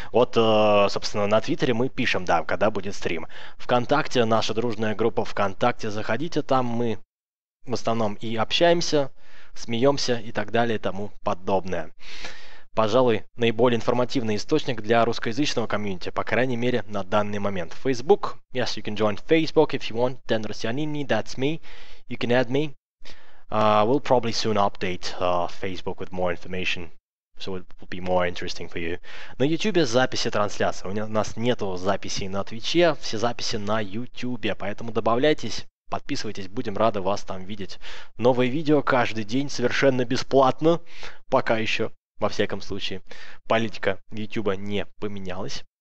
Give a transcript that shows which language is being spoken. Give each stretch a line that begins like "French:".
Russian: Вот, собственно, на Твиттере мы пишем, да, когда будет стрим. ВКонтакте, наша дружная группа ВКонтакте, заходите, там мы в основном и общаемся, смеемся и так далее и тому подобное. Пожалуй, наиболее информативный источник для русскоязычного комьюнити, по крайней мере, на данный момент.
English: Facebook. Yes, you can join Facebook if you want. Dan Rossianini, that's me. You can add me. We'll probably soon update Facebook with more information, so it will be more interesting for you.
Russian: На YouTube записи трансляции. У нас нету записей на Твиче, все записи на YouTube, поэтому добавляйтесь. Подписывайтесь, будем рады вас там видеть. Новые видео каждый день совершенно бесплатно, пока еще. Во всяком случае, политика Ютуба не поменялась.